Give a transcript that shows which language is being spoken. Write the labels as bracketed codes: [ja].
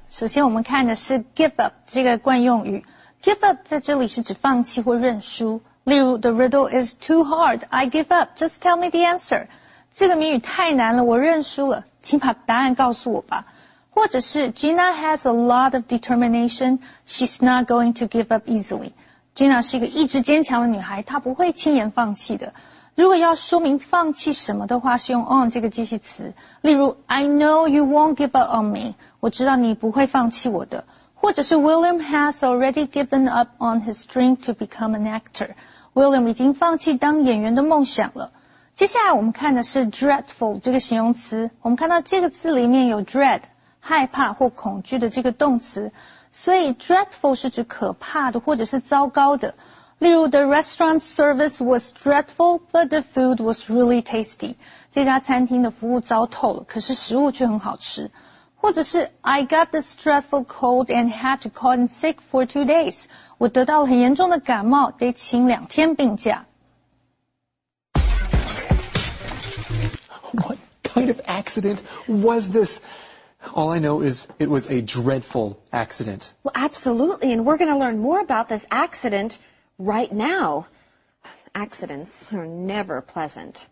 [zh] 首先我们看的是 give up 这个惯用语。Give up 在这里是指放弃或认输。例如 [en] the riddle is too hard, I give up, just tell me the answer. [zh] 这个谜语太难了，我认输了，请把答案告诉我吧。或者是 [en] Gina has a lot of determination, she's not going to give up easily. [zh] Gina 是一个意志坚强的女孩，她不会轻言放弃的。如果要说明放弃什么的话，是用 on 这个介系词。例如 [en] I know you won't give up on me, [zh] 我知道你不会放弃我的。或者是 [en] William has already given up on his dream to become an actor. [zh] William 已经放弃当演员的梦想了。接下来我们看的是 dreadful 这个形容词。我们看到这个字里面有 dread, 害怕或恐惧的这个动词。所以 dreadful 是指可怕的或者是糟糕的。例如 [en] the restaurant service was dreadful, but the food was really tasty. [zh] 这家餐厅的服务糟透了，可是食物却很好吃。或者是 [en] I got this dreadful cold and had to call in sick for 2 days. [zh] 我得到了很严重的感冒，得请两天病假。 [en] What kind of accident was this? All I know is it was a dreadful accident. Well, absolutely, and we're going to learn more about this accident right now. Accidents are never pleasant.